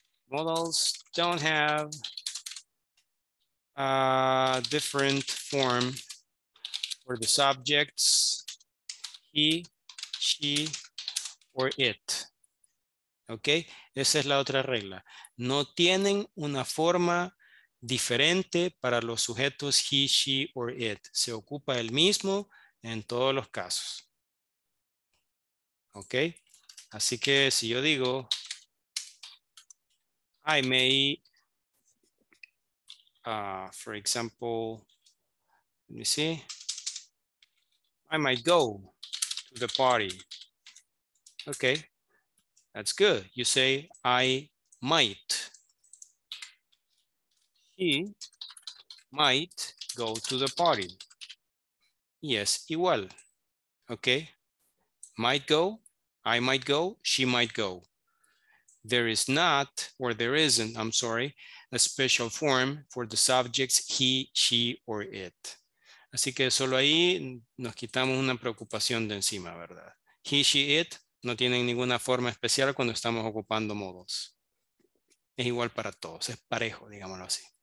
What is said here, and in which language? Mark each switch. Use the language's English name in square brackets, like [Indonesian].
[English] Models don't have a different form for the subjects, he, she, or it. [Spanish] Okay, esa es la otra regla. No tienen una forma diferente para los sujetos [English] he, she, or it. [Spanish] Se ocupa el mismo en todos los casos. [English] ¿ok? [Spanish] Así que si yo digo, [English] I may, for example, let me see, I might go to the party. Okay, that's good. You say, I might. He might go to the party. Yes, igual. Okay, might go, I might go, she might go. There is not, or there isn't, I'm sorry, a special form for the subjects he, she, or it. [Spanish] Así que solo ahí nos quitamos una preocupación de encima, ¿verdad? [English] He, she, it [Spanish] no tienen ninguna forma especial cuando estamos ocupando modals. Es igual para todos, es parejo, digámoslo así.